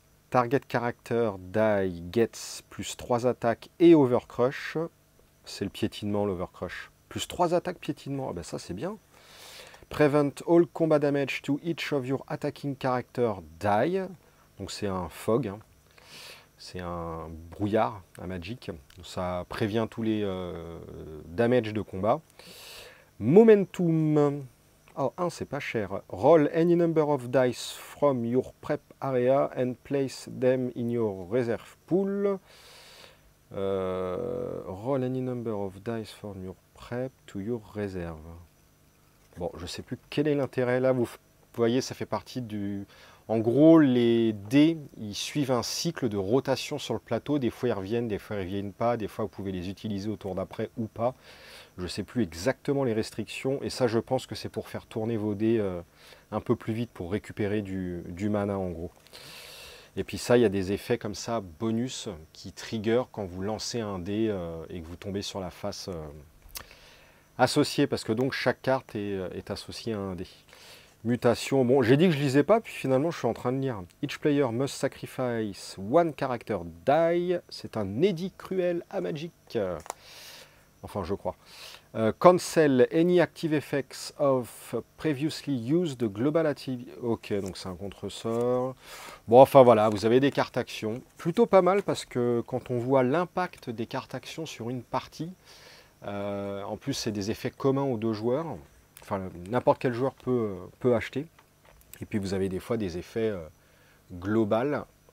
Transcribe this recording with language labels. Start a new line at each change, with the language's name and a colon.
English: Target character die gets plus 3
French: attaques et
English: overcrush.
French: C'est le piétinement, l'overcrush. Plus 3 attaques piétinement, ah ben ça c'est bien.
English: Prevent all combat damage to each of your attacking character die.
French: Donc c'est un fog, hein. C'est un brouillard, un magic. Ça prévient tous les damage de combat. Momentum. Oh, un, c'est pas cher.
English: Roll any number of dice from your prep area and place them in your reserve pool. Roll any number of dice from your prep to your reserve.
French: Bon, je sais plus quel est l'intérêt. Là, vous voyez, ça fait partie du... En gros, les dés, ils suivent un cycle de rotation sur le plateau. Des fois, ils reviennent, des fois, ils ne reviennent pas. Des fois, vous pouvez les utiliser au tour d'après ou pas. Je ne sais plus exactement les restrictions. Et ça, je pense que c'est pour faire tourner vos dés un peu plus vite, pour récupérer du mana, en gros. Et puis ça, il y a des effets comme ça, bonus, qui trigger quand vous lancez un dé et que vous tombez sur la face associée. Parce que donc, chaque carte est associée à un dé. Mutation, bon, j'ai dit que je lisais pas, puis finalement je suis en train de lire.
English: Each player must sacrifice one character die.
French: C'est un édit cruel à Magic. Enfin, je crois.
English: Cancel any active effects of previously used global activity.
French: Ok, donc c'est un contre-sort. Bon, enfin voilà, vous avez des cartes actions. Plutôt pas mal, parce que quand on voit l'impact des cartes actions sur une partie, en plus c'est des effets communs aux deux joueurs. Enfin, n'importe quel joueur peut acheter. Et puis, vous avez des fois des effets globales.